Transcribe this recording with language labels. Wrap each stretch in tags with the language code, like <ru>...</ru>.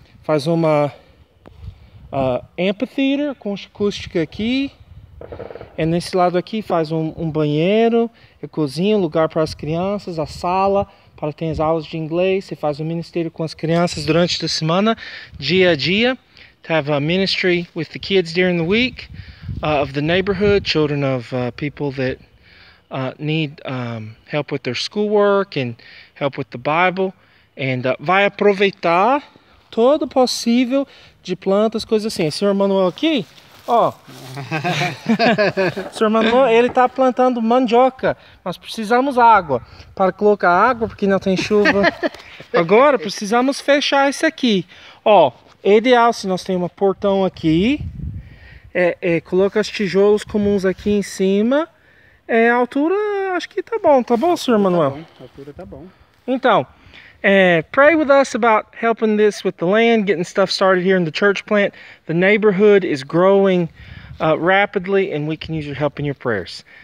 <pt>Faz uma amphitheater com acústica aqui. E nesse lado aqui faz um banheiro, e cozinha, um lugar para as crianças, a sala para ter as aulas de inglês. Você faz o um ministério com as crianças durante a semana, dia a dia.</pt> <en>To have a ministry with the kids during the week, of the neighborhood, children of people that need help with their schoolwork and help with the Bible.</en> <pt>And vai aproveitar todo possível de plantas, coisas assim. Senhor Manuel aqui, ó. Sr. Manuel, ele está plantando mandioca. Nós precisamos água para colocar água porque não tem chuva. Agora precisamos fechar isso aqui. Ó, é ideal se nós temos um portão aqui. Coloca os tijolos comuns aqui em cima. É a altura, acho que tá bom, Sr. Altura tá Manuel? bom, altura tá bom.</pt> <en>Então, pray with us about helping this with the land, getting stuff started here in the church plant. The neighborhood is growing rapidly, and we can use your help in your prayers.</en>